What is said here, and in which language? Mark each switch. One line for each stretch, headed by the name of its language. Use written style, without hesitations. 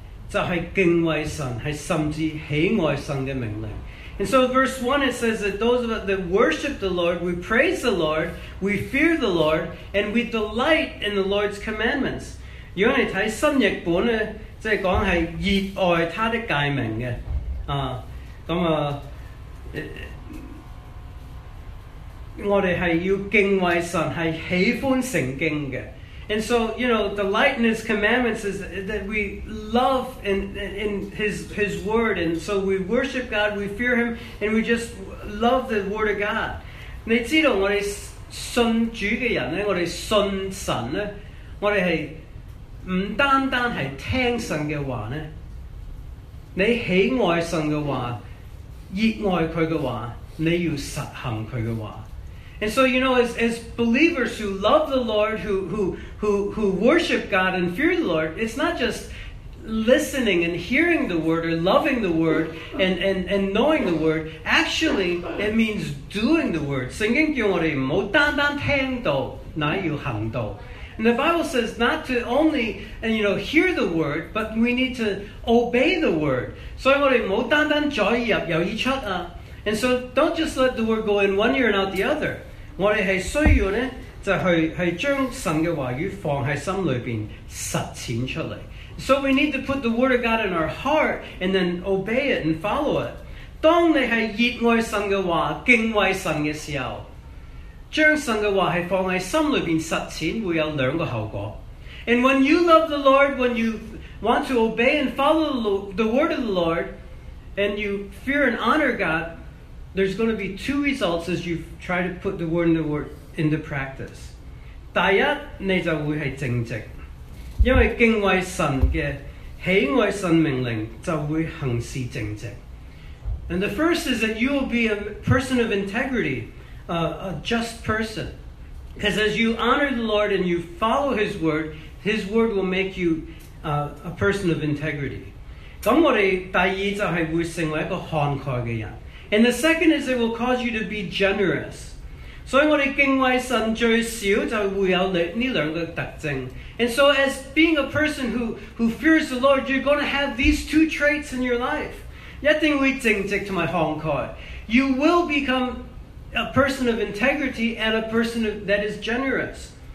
Chinese: 就是敬畏神，是甚至喜爱神的命令。
English: And so verse 1 it says that those of us that worship the Lord, we praise the Lord, we fear the Lord, and we delight in the Lord's commandments.
Chinese: 如果你看新译本，即是说是热爱他的诫命的，我们是要敬畏神，是喜欢圣经的。
English: And so, you know, delight in His commandments is that we love in His Word. And so we worship God, we fear Him, and we just love the Word of God.
Chinese: 你知道我们信主的人呢，我们信神呢，我们是不单单是听神的话呢，你喜爱神的话，热爱祂的话，你要实行祂的话。
English: And so, you know, as believers who love the Lord, who worship God and fear the Lord, it's not just listening and hearing the Word or loving the Word and knowing the Word. Actually, it means doing the Word.
Chinese: 圣经叫我们不要单单听到，乃要行道。
English: And the Bible says not to only, you know, hear the Word, but we need to obey the Word.
Chinese: 所以我们不要单单再入又一出啊。
English: And so, don't just let the word go in one ear and out the other.
Chinese: 我们是需要呢，就是将神的话语放在心里边，实践出来。
English: So we need to put the word of God in our heart and then obey it and follow it.
Chinese: 当你是热爱神的话，敬畏神的时候，将神的话是放在心里边实践，会有两个后果。
English: And when you love the Lord, when you want to obey and follow the word of the Lord, and you fear and honor God,there's going to be two results as you try to put the word in the word into practice.
Chinese: 第一，你就会是正直，因为敬畏神的喜爱神命令就会行事正直。
English: And the first is that you will be a person of integrity, a just person. Because as you honor the Lord and you follow His word will make you a person of integrity.
Chinese: 咁我哋第二就是会成为一个慷慨的人。
English: And the second is it will cause you to be generous.
Chinese: 所以我们敬畏神最少就会有这两个特征。
English: And so as being a person who fears the Lord, you're going to have these two traits in your life.
Chinese: 一定会正直和慷慨。
English: You will become a person of integrity and a person that is generous.